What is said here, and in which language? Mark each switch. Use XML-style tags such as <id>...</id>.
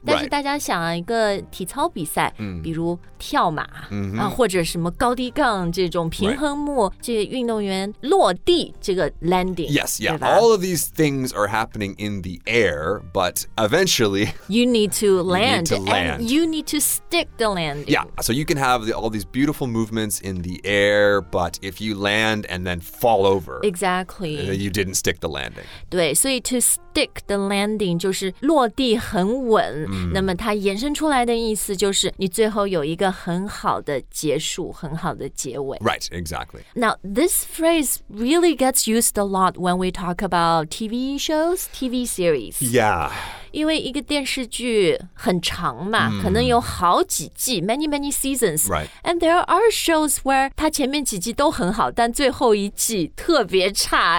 <zh>但是大家想一个体操比赛、比如跳马、或者什么高低杠这种平衡木、</zh> <en>right.</en> <zh>这运动员落地这个 landing.</zh> <en>Yes, yeah. All of these things are happening in the air, but eventually you need to land. You need to land. And you need to stick the landing. Yeah, so you can have all these beautiful movements in the air, but if you land and then fall over, exactly, you didn't stick the landing.</en> <zh>对，所以 to stick the landing 就是落地很稳。那么它衍生出来的意思就是你最后有一个很好的结束，很好的结尾。</zh> <en>Right, exactly. Now this phrase really gets used a lot when we talk about TV shows, TV series. Yeah.</en> <zh>因为一个电视剧很长嘛、可能有好几季</zh> <en>many many seasons、 right. and there are shows where</en> <zh>它前面几季都很好但最后一季特别差、</zh>